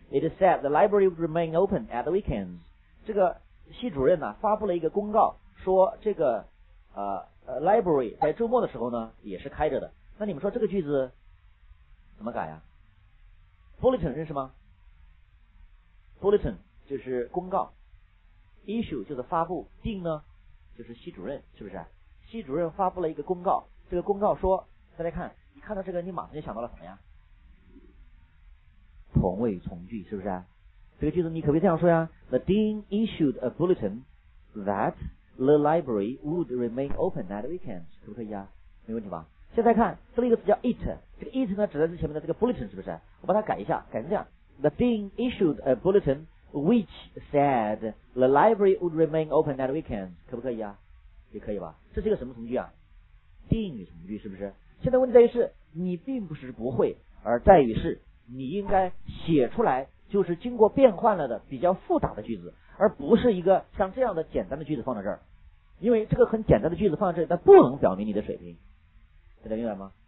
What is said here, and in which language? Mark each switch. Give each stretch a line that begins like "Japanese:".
English: It said the library would remain open at the weekends.
Chinese: 这个系主任呢发布了一个公告，说这个library 在周末的时候呢也是开着的。那你们说这个句子怎么改啊？ bulletin 认识吗？bulletin 就是公告， issue 就是发布， dean 呢就是系主任，是不是？系主任发布了一个公告，这个公告说，大家看，你看到这个你马上就想到了什么呀？同位从句，是不是？这个句子你可别这样说呀，
English: The dean issued a bulletin that the library would remain open at weekends，
Chinese: 可不可以啊？没问题吧？现在看这里一个词叫 it， 这个 it 呢指的是前面的这个 bulletin， 是不是？我把它改一下，改成这样，
English: The dean issued a bulletin which said the library would remain open at weekends，
Chinese: 可不可以啊？也可以吧。这是一个什么从句啊？定语从句，是不是？现在问题在于是你并不是不会，而在于是你应该写出来就是经过变换了的比较复杂的句子，而不是一个像这样的简单的句子放在这儿。因为这个很简单的句子放在这儿，它不能表明你的水平，大家明白吗？